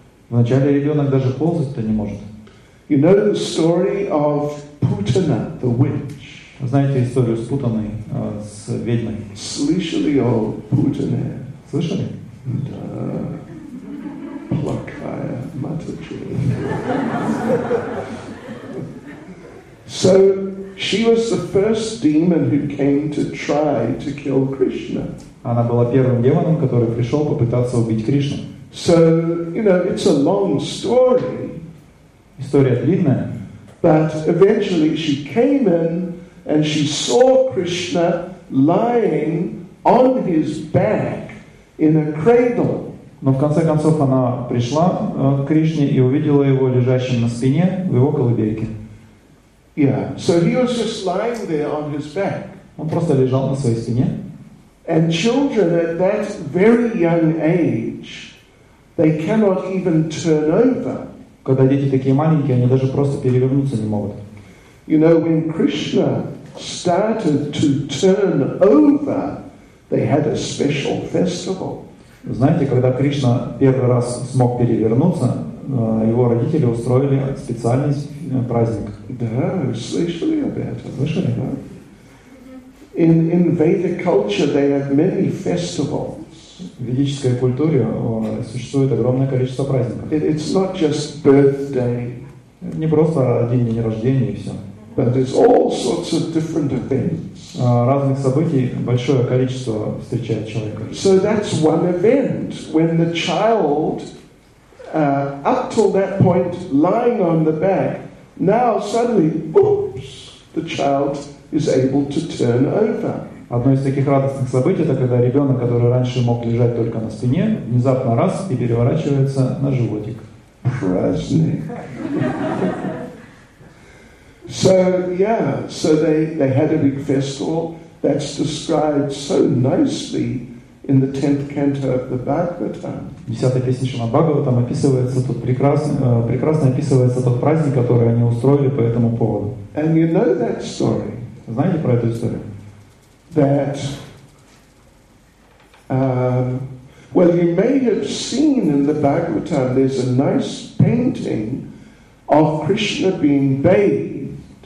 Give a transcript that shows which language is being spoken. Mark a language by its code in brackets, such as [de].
[ru] Вначале ребенок даже ползать-то не может. [en] You know the story of Putana, the witch. [ru] Знаете историю с Путаной, с ведьмой? Слышали о Путане? Слышали? Да. Плохая матушка. [en] So she was the first demon who came to try to kill Krishna. [ru] Она была первым демоном, который пришел попытаться убить Кришну. [en] So, you know, it's a long story. [ru] История длинная. [en] But eventually she came in and she saw Krishna lying on his back in a cradle. [ru] Но в конце концов она пришла к Кришне и увидела его лежащим на спине в его колыбельке. [en] Yeah. So he was just lying there on his back. [ru] Он просто лежал на своей спине. [en] And children at that very young age, they cannot even turn over. [ru] Когда дети такие маленькие, они даже просто перевернуться не могут. [en] You know, when Krishna started to turn over, they had a special festival. [ru] Знаете, когда Кришна первый раз смог перевернуться, его родители устроили специальный праздник. Да, слышали об этом? Слышали, да? [en] In Vedic culture, they have many festivals. [ru] В ведической культуре существует огромное количество праздников. [en] It's not just birthday. [ru] Не просто день рождения и все. [en] But it's all sorts of different events. [ru] Разных событий большое количество встречает человека. [en] So that's one event when the child, up till that point, lying on the back, now suddenly, oops, the child is able to turn over. [ru] Одно из таких радостных событий — это когда ребенок, который раньше мог лежать только на спине, внезапно раз и переворачивается на животик. [en] So yeah, so they had a big festival that's described so nicely in the 10th canto of the Bhagavatam. [ru] Десятая песня Шримад-Бхагаватам описывается тут прекрасно описывается тот праздник, который они устроили по этому поводу. [en] And you know that story? [ru] Знаете про эту историю? [en] That well, you may have seen in the Bhagavatam there's a nice painting of Krishna being bathed.